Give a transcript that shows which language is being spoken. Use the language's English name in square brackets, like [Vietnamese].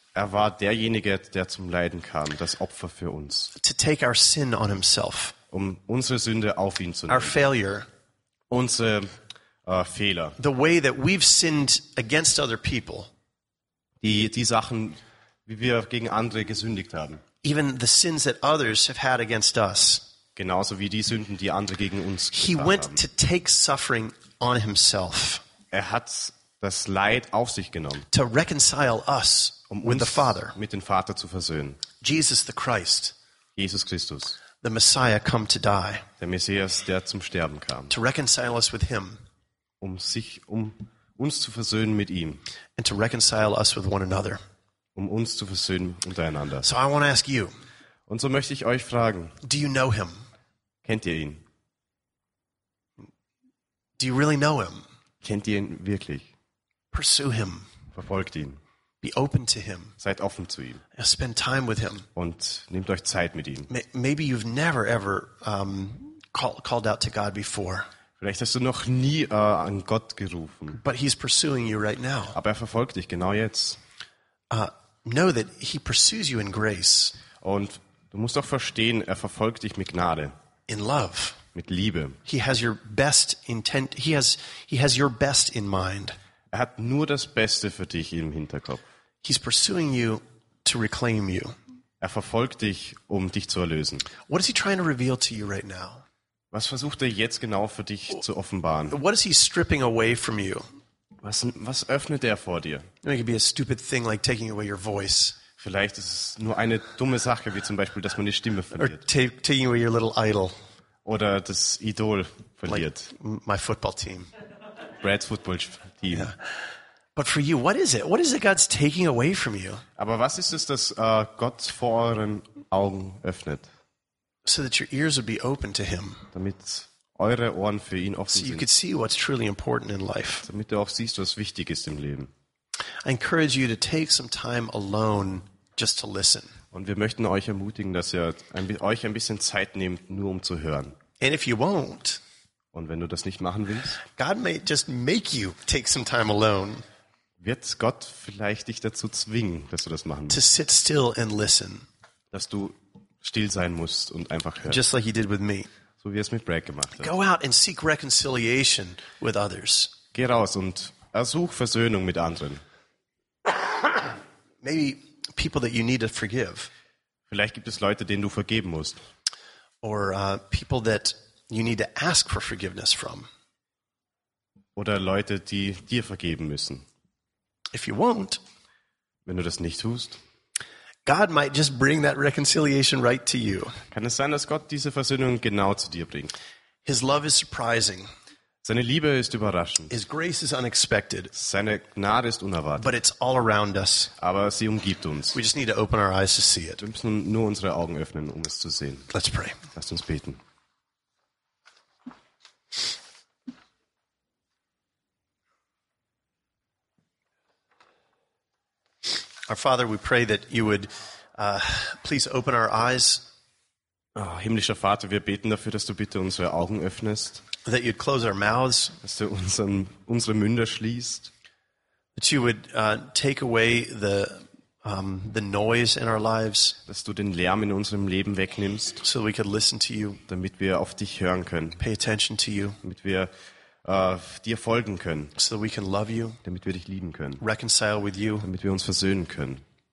[German] Er war derjenige, der zum Leiden kam, das Opfer für uns. [English] To take our sin on himself. [German] Um unsere Sünde auf ihn zu nehmen. [English] Our failure. [German] Unsere Fehler. [English] The way that we've sinned against other people. [German] Die Sachen, wie wir gegen andere gesündigt haben. [English] Even the sins that others have had against us. [German] Genauso wie die Sünden, die andere gegen uns getan [English] haben. He went [German] haben. [English] To take suffering on himself. [German] Er hat das Leid auf sich genommen, [English] to reconcile us with the Father, [German] mit dem Vater zu versöhnen. [English] Jesus the Christ, [German] Jesus Christus, [English] the Messiah come to die, [German] der Messias, der zum Sterben kam, [English] to reconcile us with him, [German] um uns zu versöhnen mit ihm, [English] and to reconcile us with one another, [German] um uns zu versöhnen untereinander. [English] So I want to ask you, [German] und so möchte ich euch fragen, [English] do you know him? [German] Kennt ihr ihn? [English] Do you really know him? [German] Kennt ihr ihn wirklich? [English] Pursue him. [German] Verfolgt ihn. [English] Be open to him. [German] Seid offen zu ihm. [English] Spend time with him. [German] Und nehmt euch Zeit mit ihm. [English] Maybe you've never ever called out to God before. [German] Vielleicht hast du noch nie an Gott gerufen. [English] But he's pursuing you right now. [German] Aber er verfolgt dich genau jetzt. [English] Know that he pursues you in grace. [German] Und du musst doch verstehen, er verfolgt dich mit Gnade. [English] In love. [German] Mit Liebe. [English] He has your best intent. He has your best in mind. [German] Er hat nur das Beste für dich im Hinterkopf. [English] He's pursuing you to reclaim you. [German] Er verfolgt dich, um dich zu erlösen. [English] What is he trying to reveal to you right now? [German] Was versucht er jetzt genau für dich zu offenbaren? [English] What is he stripping away from you? [German] Was öffnet er vor dir? [English] It could be a stupid thing like taking away your voice. [German] Vielleicht ist es nur eine dumme Sache, wie zum Beispiel, dass man die Stimme verliert. [English] Or taking away your little idol. [German] Oder das Idol verliert. [English] Like my football team. Brad's football team. Yeah. But for you, what is it? What is it God's taking away from you? [German] Aber was ist es, das Gott vor euren Augen öffnet? [English] So that your ears would be open to him. [German] Damit eure Ohren für ihn offen sind. [English] So you could see what's truly important in life. [German] Damit du auch siehst, was wichtig ist im Leben. [English] I encourage you to take some time alone just to listen. [German] Und wir möchten euch ermutigen, dass ihr euch ein bisschen Zeit nehmt, nur um zu hören. [English] And if you won't, [German] und wenn du das nicht machen willst, [English] God may just make you take some time alone. [German] Wird Gott vielleicht dich dazu zwingen, dass du das machen musst. [English] To sit still and listen. [German] Dass du still sein musst und einfach hörst. [English] Just like he did with me. [German] So wie er es mit Brad gemacht hat. [English] Go out and seek reconciliation with others. [German] Geh raus und ersuch Versöhnung mit anderen. [English] Maybe people that you need to forgive. [German] Vielleicht gibt es Leute, denen du vergeben musst. [English] Or people that you need to ask for forgiveness from. [German] Oder Leute, die dir vergeben müssen. [English] If you won't, [German] wenn du das nicht tust, [English] God might just bring that reconciliation right to you. [German] Kann es sein, dass Gott diese Versöhnung genau zu dir bringt? [English] His love is surprising. [German] Seine Liebe ist überraschend. [English] His grace is unexpected. [German] Seine Gnade ist unerwartet. [English] But it's all around us. [German] Aber sie umgibt uns. [English] We just need to open our eyes to see it. [German] Wir müssen nur unsere Augen öffnen, um es zu sehen. [English] Let's pray. [German] Lasst uns beten. [English] Our Father, we pray that you would please open our eyes. [German] Oh, himmlischer Vater, wir beten dafür, dass du bitte unsere Augen öffnest. [English] That you'd close our mouths. [German] Dass du unsere Münder schließt. [English] That you would take away the noise in our lives. [German] Dass du den Lärm in unserem Leben wegnimmst. [English] So we could listen to you. [German] Damit wir auf dich hören können. [English] Pay attention to you. [German] Damit wir dir folgen können, [English] so we can love you, [German] damit wir dich lieben können, [English] reconcile with you, [German] damit wir uns versöhnen können,